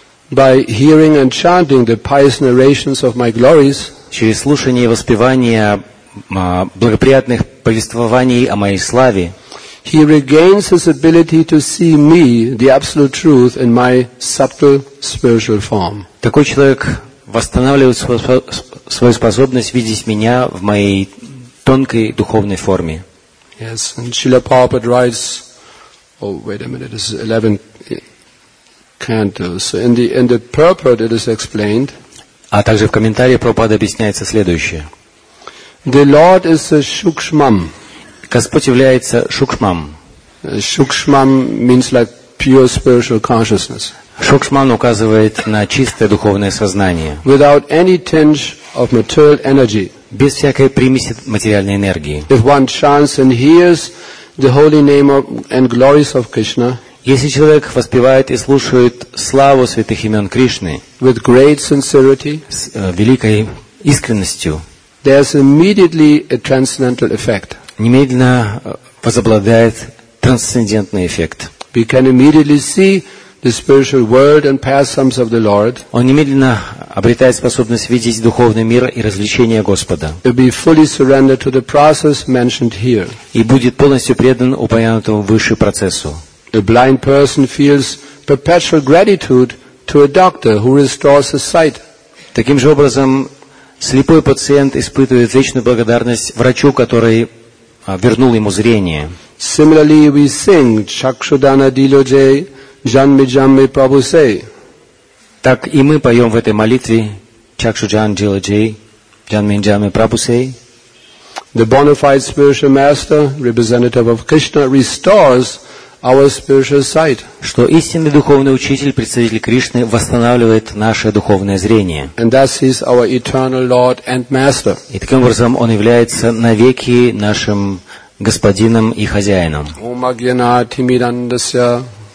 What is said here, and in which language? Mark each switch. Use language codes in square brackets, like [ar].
[en] by hearing and chanting the pious narrations of my glories, [ru] через слушание и воспевание благоприятных повествований о моей славе, [en] he regains his ability to see me, the absolute truth, in my subtle spiritual form. [ru] Такой человек восстанавливает свою способность видеть меня в моей тонкой духовной форме. [en] Yes, and Srila Prabhupada writes, oh wait a minute, this is 11 cantos. In the purport it is explained. [ru] А также в комментарии Прабхупада объясняется следующее. [en] The Lord is a shukshmam. [ru] Господь является шукшмам. [en] Shukshmam means like pure spiritual consciousness. [ru] Шукшман указывает на чистое духовное сознание. [en] Without any tinge of material energy. [ru] Без всякой примеси материальной энергии. [en] If one chants and hears the holy name of and glories of Krishna, [ru] если человек воспевает и слушает славу святых имен Кришны, [en] with great sincerity, [ru] с великой искренностью, [en] there is immediately a transcendental effect. [ru] Немедленно возобладает трансцендентный эффект. [en] We can immediately see the spiritual world and pastimes of the Lord. [ru] Он немедленно обретает способность видеть духовный мир и развлечения Господа. [en] He will be fully surrendered to the process mentioned here. [ru] И будет полностью предан упомянутому выше процессу. [en] The blind person feels perpetual gratitude to a doctor who restores his sight. [ru] Таким же образом, слепой пациент испытывает вечную благодарность врачу, который вернул ему зрение. [en] Similarly, we sing [bn] Chakshudana Dilojay. Janmijanmi Prabhu say. [ru] Так и мы поем в этой молитве [bn] Чакшуджан Джиладжей Джанмиджанми Прабху Сей. [en] The bona fide spiritual master, representative of Krishna, restores our spiritual sight. [ru] Что истинный духовный учитель, представитель Кришны, восстанавливает наше духовное зрение. [en] And thus he is our eternal Lord and Master. [ru] И таким образом он является навеки нашим господином и хозяином. [sa] Ом агьянати мирандасья.